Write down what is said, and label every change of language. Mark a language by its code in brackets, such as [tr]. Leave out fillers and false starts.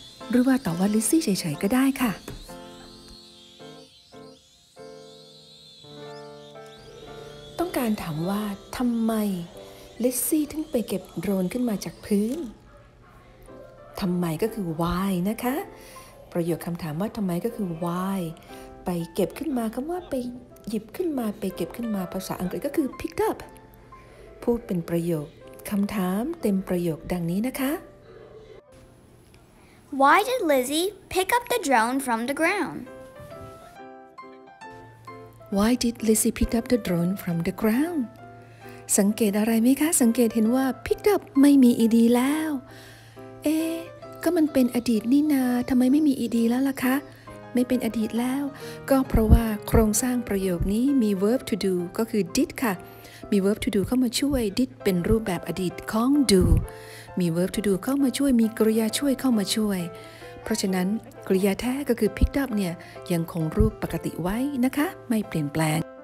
[th] หรือว่าตอบว่าลิซซี่เฉยๆก็ได้ค่ะต้องการถามว่าทำไมลิซซี่ถึงไปเก็บโดรนขึ้นมาจากพื้นทำไมก็คือ why นะคะประโยคคำถามว่าทำไมก็คือ why ไปเก็บขึ้นมาคำว่าไปหยิบขึ้นมาไปเก็บขึ้นมาภาษาอังกฤษก็คือ picked up พูดเป็นประโยคคำถามเต็มประโยคดังนี้นะคะ [en] Why did Lizzie pick up the drone from the ground? Why did Lizzie pick up the drone from the ground? [th] สังเกตอะไรไหมคะสังเกตเห็นว่า picked up ไม่มี ed แล้วเอ๊ก็มันเป็นอดีตนี่นาทำไมไม่มี ed แล้วล่ะคะไม่เป็นอดีตแล้วก็เพราะว่าโครงสร้างประโยคนี้มี verb to do ก็คือ did ค่ะมี verb to do เข้ามาช่วย did เป็นรูปแบบอดีตของ doมี verb to do เข้ามาช่วยมีกริยาช่วยเข้ามาช่วยเพราะฉะนั้นกริยาแท้ก็คือ picked up เนี่ยยังคงรูปปกติไว้นะคะไม่เปลี่ยนแปลง